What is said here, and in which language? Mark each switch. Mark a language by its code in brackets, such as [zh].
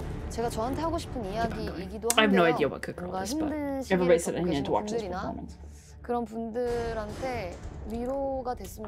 [ko] 제가 저한테 하고 싶은 이야기이기도 한데요. [en] I have no idea what Good Girl is, but everybody said I need to watch this performance. [ko] 그런 분들한테 위로가 됐으면